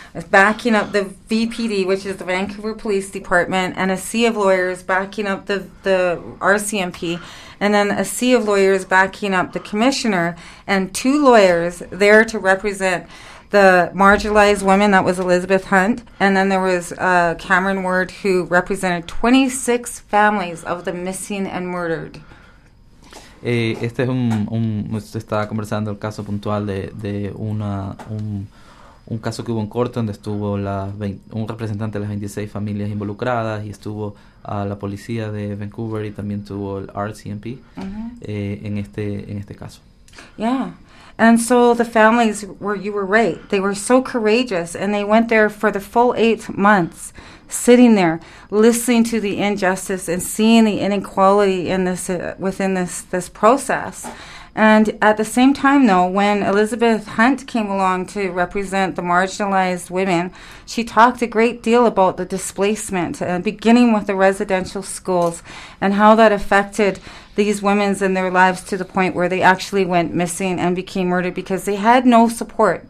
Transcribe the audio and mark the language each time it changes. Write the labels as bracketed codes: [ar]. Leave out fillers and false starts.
[en] backing up the VPD, which is the Vancouver Police Department, and a sea of lawyers backing up the RCMP, and then a sea of lawyers backing up the commissioner, and two lawyers there to represent the marginalized woman, that was Elizabeth Hunt, and then there was Cameron Ward, who represented 26 families of the missing and murdered. [es] Este es un se está conversando el caso puntual de una un caso que hubo en corte donde estuvo un representante de las 26 familias involucradas y estuvo a la policía de Vancouver y también tuvo el RCMP en este caso. [en] Yeah. And so the families were right. They were so courageous, and they went there for the full 8 months, sitting there, listening to the injustice and seeing the inequality in this within this process. And at the same time, though, when Elizabeth Hunt came along to represent the marginalized women, she talked a great deal about the displacement, beginning with the residential schools, and how that affected these women's and their lives to the point where they actually went missing and became murdered because they had no support.